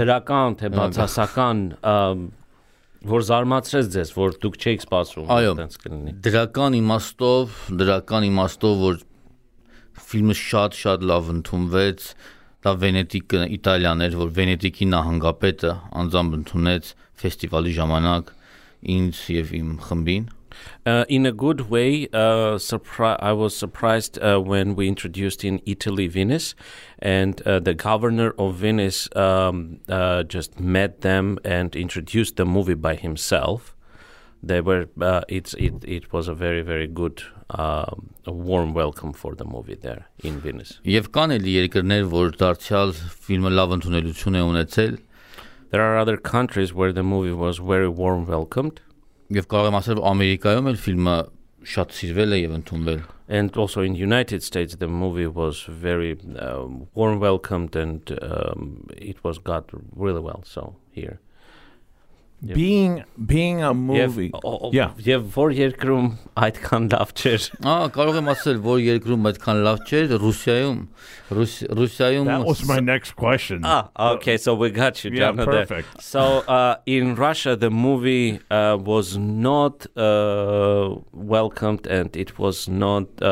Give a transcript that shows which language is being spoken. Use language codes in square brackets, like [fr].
[hy] դրական թե բացասական, որ զարմացրեց ձեզ, որ դուք չեք սպասում այդպես կլինի։ Դրական իմաստով որ ֆիլմը շատ լավ ընդունվեց, դա Վենետիկը, Իտալիան էր, որ Վենետիկի նահանգապետը անձամբ ընդունեց ֆեստիվալի ժամանակ ինձ եւ իմ խմբին։ [en] In a good way, I was surprised when we introduced in Italy Venice, and the governor of Venice just met them and introduced the movie by himself. It was a very, very good a warm welcome for the movie there in Venice. [hy] Եվ կան էլ երկրներ, որ դարձյալ ֆիլմը լավ ընդունելություն է ունեցել. [en] There are other countries where the movie was very warm welcomed. [hy] Եվ կարող եմ ասել, Ամերիկայում էլ ֆիլմը շատ սիրվել է եւ ընդունվել. [en] And also in United States the movie was very warm welcomed, and it was got really well so here. Being a movie. [hy] Եվ որ երկրում այդքան լավ չէր։ Ա, կարող եմ ասել, որ երկրում այդքան լավ չէր, Ռուսիայում։ Ռուսիայում։ [en] That was my next question. Ah, okay, so we got you down there. Yeah, perfect. So, in Russia the movie was not welcomed, and it was not